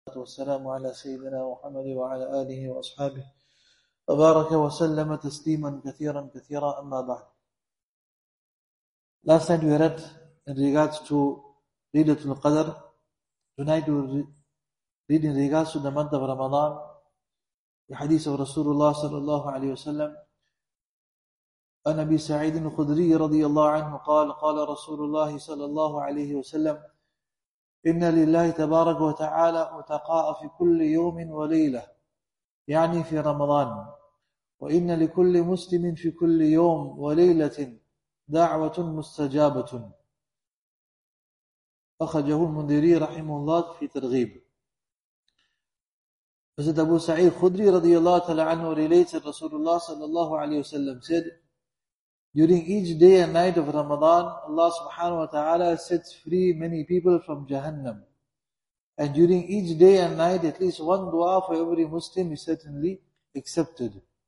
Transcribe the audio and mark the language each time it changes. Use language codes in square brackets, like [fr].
[ar] الصلاة والسلام على سيدنا محمد وعلى آله وأصحابه وبارك وسلم تسليما كثيرا كثيرا. أما بعد, [en] last night we read in regards to Laylatul Qadr. Tonight we will read in regards to the month of Ramadan, the hadith of Rasulullah [ar] صلى الله عليه وسلم. عن أبي سعيد الخدري رضي الله عنه قال قال رسول الله صلى الله عليه وسلم إن لله تبارك وتعالى عتقاء في كل يوم وليلة, يعني في رمضان, وإن لكل مسلم في كل يوم وليلة دعوة مستجابة. أخرجه المنذري رحمه الله في ترغيب. فسيد أبو سعيد الخدري رضي الله تعالى عنه [en] relates that [ar] رسول الله صلى الله عليه وسلم [en] said, during each day and night of Ramadan, Allah subhanahu wa ta'ala sets free many people from Jahannam. And during each day and night, at least one dua for every Muslim is certainly accepted.